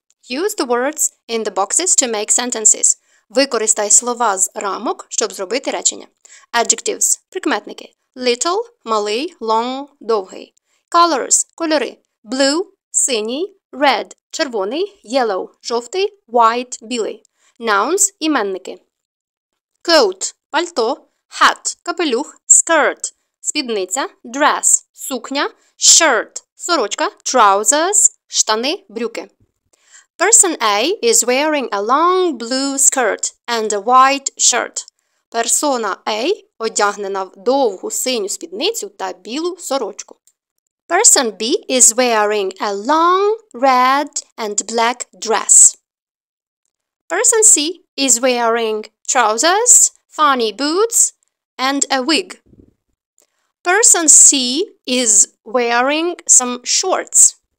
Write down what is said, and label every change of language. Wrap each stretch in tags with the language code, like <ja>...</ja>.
<en>Use the words in the boxes to make sentences.</en> <uk>Використай слова з рамок, щоб зробити речення.</uk> <en>Adjectives – прикметники. Little – малий, long – довгий. Colors – кольори. Blue – синій, red – червоний, yellow – жовтий, white – білий.</en> <uk>Nouns – іменники. Coat – пальто, hat – капелюх, skirt – спідниця, dress – сукня, shirt – сорочка, trousers – штани, брюки.</uk> <en>Person A is wearing a long blue skirt and a white shirt.</en> <uk>Persona A одягнена в довгу синю спідницю та білу сорочку.</uk> <en>Person B is wearing a long red and black dress. Person C is wearing trousers, funny boots and a wig. Person C is wearing some shorts.</en>